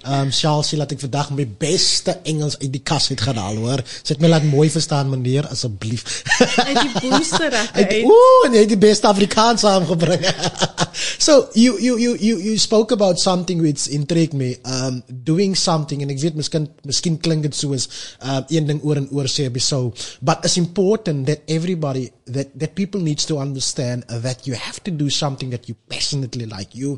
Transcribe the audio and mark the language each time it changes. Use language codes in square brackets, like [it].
[af] Chelsea, laat ek vandag my beste Engels uit die kas uit gaan haal, hoor. Sit my laat mooi verstaan, meneer, asseblief. Uit die booster uit. Oeh, en jy die beste Afrikaans saamgebring. [en] So, you spoke about something which intrigued me. Doing something, en ek weet, miskien klink het soos een ding oor en oor sê, so, but it's important that everybody, that people needs to understand that you have to do something that you passionately like.